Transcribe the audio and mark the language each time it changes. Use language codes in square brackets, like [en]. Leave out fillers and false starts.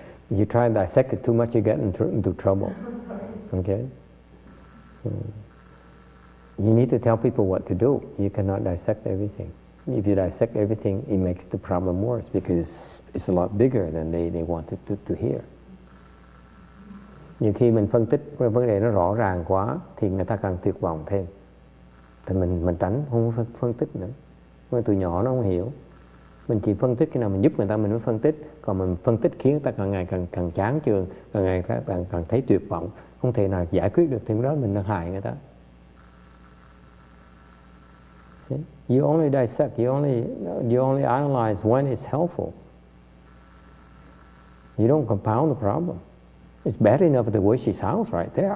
[en] You try and dissect it too much, you get into trouble. Okay? You need to tell people what to do. You cannot dissect everything. If you dissect everything, it makes the problem worse because it's a lot bigger than they wanted to hear. [vi] Nhưng khi mình phân tích vấn đề nó rõ ràng quá, thì người ta càng tuyệt vọng thêm. Thì mình tránh, không phân tích nữa. Mà từ nhỏ nó không hiểu. Mình chỉ phân tích khi nào mình giúp người ta mình mới phân tích. Còn mình phân tích khiến người ta càng ngày càng chán chường, càng ngày càng thấy tuyệt vọng, không thể nào giải quyết được, thì đó mình đang hại người ta. [en] See? You only dissect, you only analyze when it's helpful. You don't compound the problem. It's bad enough the way she sounds right there.